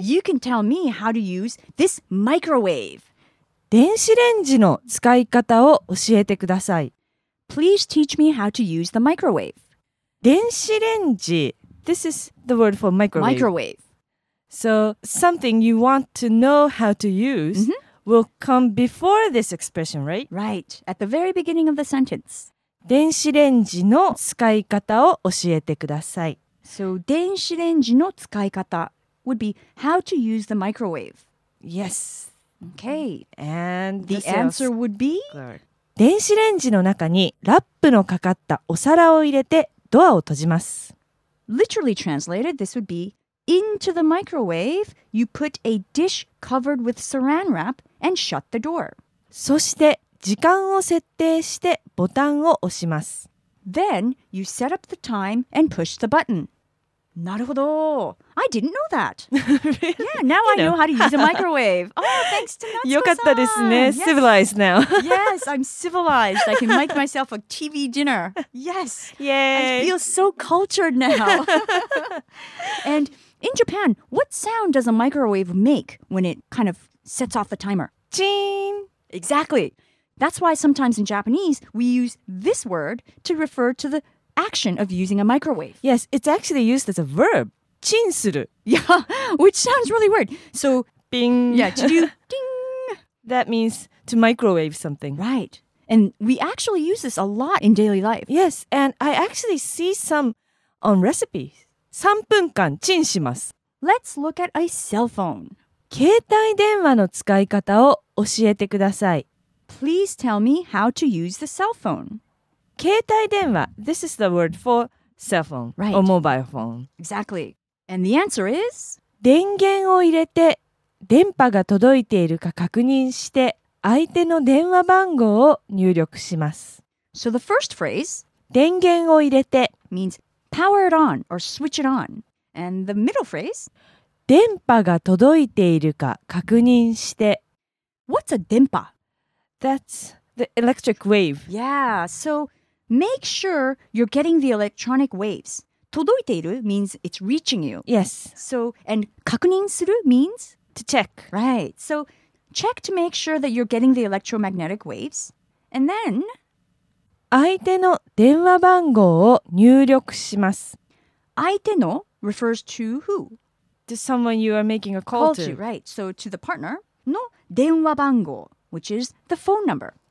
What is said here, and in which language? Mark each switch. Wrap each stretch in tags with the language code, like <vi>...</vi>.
<en>You can tell me how to use this microwave.</en> <ja>電子レンジの使い方を教えてください。</ja> <en>Please teach me how to use the microwave. 電子レンジ.This is the word for microwave. Microwave. So something you want to know how to use、mm-hmm. will come before this expression, right? Right. At the very beginning of the sentence.</en> <ja>電子レンジの使い方を教えてください。</ja> <en>So 電子レンジの使い方 would be how to use the microwave. Yes. Okay. And the answer would be...</en> <ja>電子レンジの中にラップのかかったお皿を入れてドアを閉じます。</ja> <en>Literally translated, this would be Into the microwave, you put a dish covered with saran wrap and shut the door.</en> <ja>そして時間を設定してボタンを押します。</ja> <en>Then you set up the time and push the button.</en> <ja>なるほど。</ja> <en>I didn't know that. Really? Yeah, now I know how to use a microwave. Oh, thanks to Natsuko-san.</en> <ja>よかったですね。</ja> <en>Yes. Civilized now. Yes, I'm civilized. I can make myself a TV dinner. Yes. Yay. I feel so cultured now. And in Japan, what sound does a microwave make when it kind of sets off the timer? Chin. Exactly. That's why sometimes in Japanese, we use this word to refer to the action of using a microwave. Yes, it's actually used as a verb.</en> <ja>チンする。</ja> <en>Yeah, which sounds really weird. So, bing. Yeah, to do ding. That means to microwave something. Right. And we actually use this a lot in daily life. Yes, and I actually see some on recipes.</en> <ja>3分間チンします。</ja> <en>Let's look at a cell phone.</en> <ja>携帯電話の使い方を教えてください。</ja> <en>Please tell me how to use the cell phone. 携帯電話。This is the word for cell phone. Right. Or mobile phone. Exactly. And the answer is?</en> <ja>電源を入れて電波が届いているか確認して相手の電話番号を入力します。</ja> <en>So the first phrase</en> <ja>電源を入れて</ja> <en>means power it on or switch it on. And the middle phrase</en> <ja>電波が届いているか確認して</ja> <en>What's a 電波? That's the electric wave. Yeah, so make sure you're getting the electronic waves. 届いている means it's reaching you. Yes. So, and 確認する means? To check. Right. So, check to make sure that you're getting the electromagnetic waves. And then?</en> <ja>相手の電話番号を入力します。</ja> <en>相手の refers to who? To someone you are making a call to. Call to, right. So, to the partner の電話番号, which is the phone number.</en>